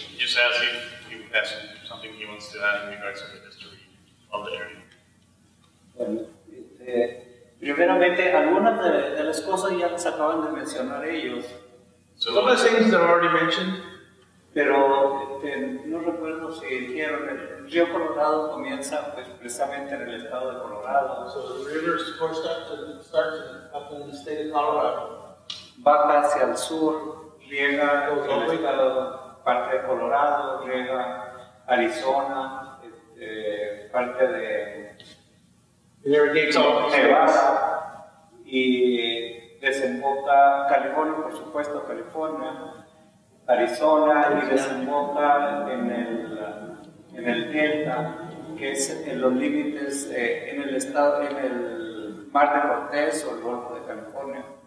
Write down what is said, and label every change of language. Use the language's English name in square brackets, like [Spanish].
[English] Just as he has something he wants to add in regards to the history of the area. [Spanish] Primeramente, algunas de las cosas ya las acaban de mencionar ellos. [English] So, some of the things that are already mentioned. [Spanish] Pero no recuerdo si dijeron el río Colorado comienza pues precisamente en el estado de Colorado. [English] So the river is first starts up in the state of Colorado. [Spanish] Baja hacia el sur, riega el estado, parte de Colorado, riega Arizona, parte de Texas, y desemboca California, por supuesto, California, Arizona, y desemboca en el Delta, que es en los límites en el estado, en el Mar de Cortés o el Golfo de California.